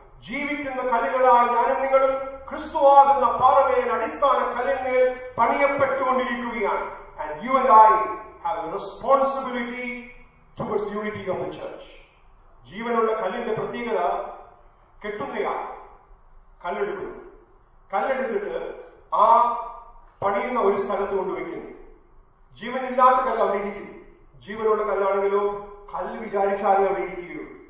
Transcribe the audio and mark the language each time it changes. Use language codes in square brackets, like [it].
[ml] ജീവിക്കുന്ന കല്ലുകളായി ഞാനും നിങ്ങളും ക്രിസ്തുവാകുന്ന പാറമേൽ അടിസ്ഥാന കല്ലിന്മേൽ പണിയപ്പെട്ടുകൊണ്ടിരിക്കുകയാണ്. [en] And you and I have a responsibility towards unity of the church. [ml] ജീവനുള്ള കല്ലിന്റെ പ്രത്യേകത കെട്ടുന്നയാണ് കല്ലെടുക്കുന്നു. കല്ലെടുത്തിട്ട് ആ പണിയുന്ന ഒരു സ്ഥലത്ത് കൊണ്ടുവയ്ക്കുന്നു. ജീവനില്ലാത്ത കല്ല് അവിടെയിരിക്കുന്നു. ജീവനുള്ള കല്ലാണെങ്കിലോ കല്ല് വിചാരിച്ചാലും അവിടെയിരിക്കുന്നു.